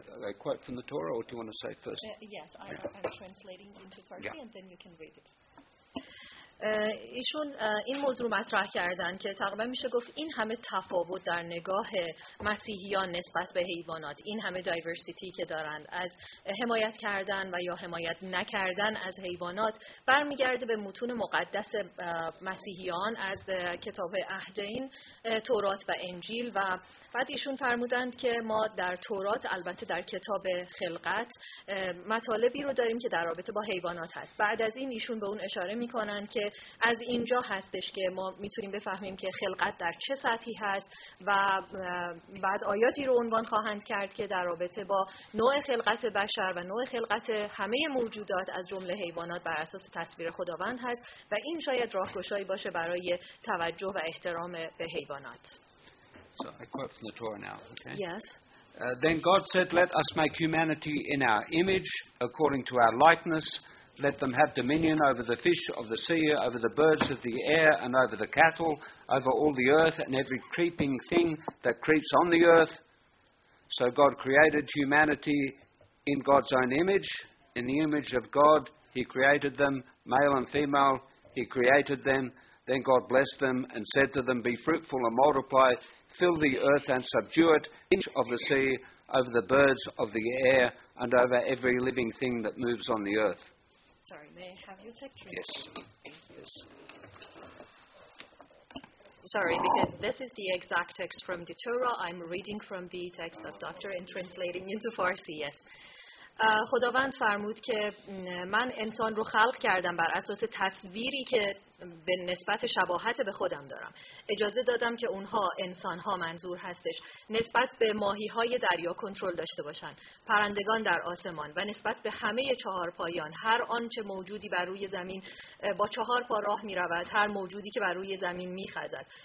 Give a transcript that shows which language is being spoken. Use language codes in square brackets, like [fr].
[en] A quote from the Torah, or do you want to say first? Yes, I'm translating into Farsi, yeah. And then you can read it. [fa] ایشون این موضوع رو مطرح کردن که تقریبا میشه گفت این همه تفاوت در نگاه مسیحیان نسبت به حیوانات، این همه دایورسیتی که دارن از حمایت کردن و یا حمایت نکردن از حیوانات، برمیگرده به متون مقدس مسیحیان از کتاب عهدین، تورات و انجیل. و بعد ایشون فرمودند که ما در تورات، البته در کتاب خلقت، مطالبی رو داریم که در رابطه با حیوانات هست. بعد از این ایشون به اون اشاره میکنن که از اینجا هستش که ما میتونیم بفهمیم که خلقت در چه سطحی هست، و بعد آیاتی رو عنوان خواهند کرد که در رابطه با نوع خلقت بشر و نوع خلقت همه موجودات از جمله حیوانات بر اساس تصویر خداوند هست، و این شاید راهگشایی باشه برای توجه و احترام به حیوانات. [en] So I quote from the Torah now. Okay. Yes. Then God said, "Let us make humanity in our image, according to our likeness. Let them have dominion over the fish of the sea, over the birds of the air, and over the cattle, over all the earth, and every creeping thing that creeps on the earth." So God created humanity in God's own image. In the image of God, He created them, male and female, He created them. Then God blessed them and said to them, "Be fruitful and multiply. Fill the earth and subdue it, inch of the sea, over the birds of the air, and over every living thing that moves on the earth." Sorry, may I have your text? Yes. Sorry, because this is the exact text from the Torah. I'm reading from the text of Doctor and translating into Farsi, yes. [fa] خداوند فرمود که من انسان رو خلق کردم بر اساس تصویری که به نسبت شباهت به خودم دارم. اجازه دادم که اونها، انسانها منظور هستش، نسبت به ماهیهای دریا کنترل داشته باشن، پرندگان در آسمان، و نسبت به همه چهار پایان، هر آنچه موجودی بر روی زمین با چهار پا راه می رود، هر موجودی که بر روی زمین می خزد.